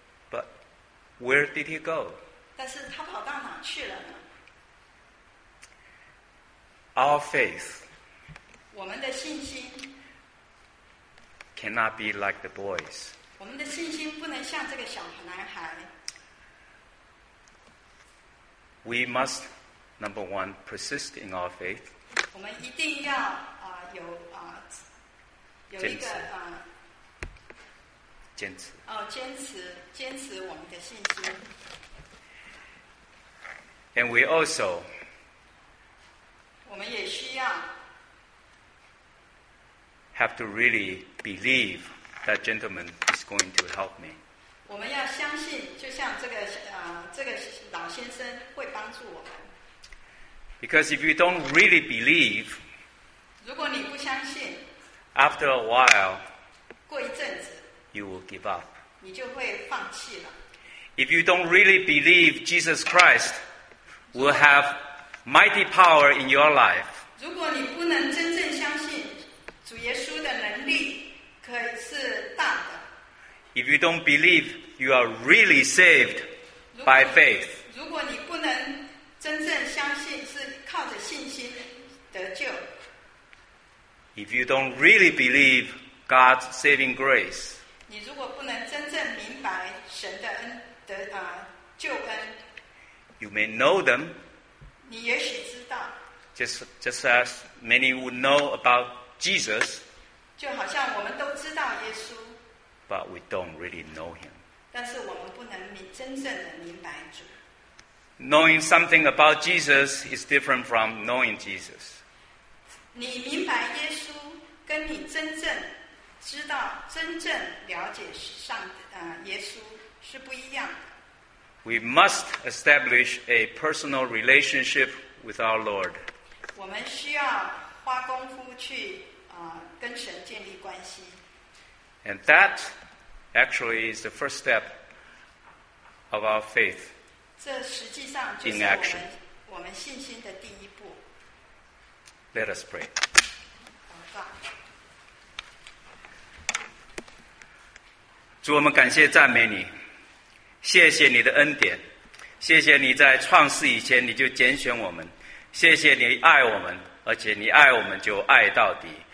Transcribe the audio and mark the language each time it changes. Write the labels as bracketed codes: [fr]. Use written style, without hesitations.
[en] But where did he go? [zh] 但是他跑到哪去了呢？ [en] Our faith. [zh] 我们的信心。 [en] Cannot be like the boys. [zh] 我们的信心不能像这个小男孩。 [en] We must, number one, persist in our faith. [zh] 我们一定要有一个坚持。坚持我们的信心。 [en] And we also. [zh] 我们也需要。 [en] Have to really believe that gentleman is going to help me. [zh] 我们要相信，就像这个老先生会帮助我们。 [en] Because if you don't really believe, [zh] 如果你不相信 [en] ，after a while, [zh] 过一阵子 [en] ，you will give up. [zh] 你就会放弃了。 [en] If you don't really believe Jesus Christ will have mighty power in your life, [zh] 如果你不能真正相信。主耶稣的能力可以是大的。 [en] If you don't believe, you are really saved by faith. [zh] 如果你不能真正相信是靠着信心得救。 [en] If you don't really believe God's saving grace. [zh] 你如果不能真正明白神的恩的救恩。 [en] You may know them. [zh] 你也许知道。 [en] Just as many would know about Jesus, [zh] 就好像我们都知道耶稣 [en] but we don't really know him. [zh] 但是我们不能真正的明白主。 [en] Knowing something about Jesus is different from knowing Jesus. [zh] 你明白耶稣，跟你真正知道、真正了解上耶稣是不一样的。 [en] We must establish a personal relationship with our Lord. [zh] 我们需要花功夫去跟神建立关系。 [en] And that actually is the first step of our faith. [zh] 这实际上就是我们信心的第一步。 [en] Let us pray. [zh] 祷告。主，我们感谢赞美你，谢谢你的恩典，谢谢你在创世以前你就拣选我们，谢谢你爱我们，而且你爱我们就爱到底。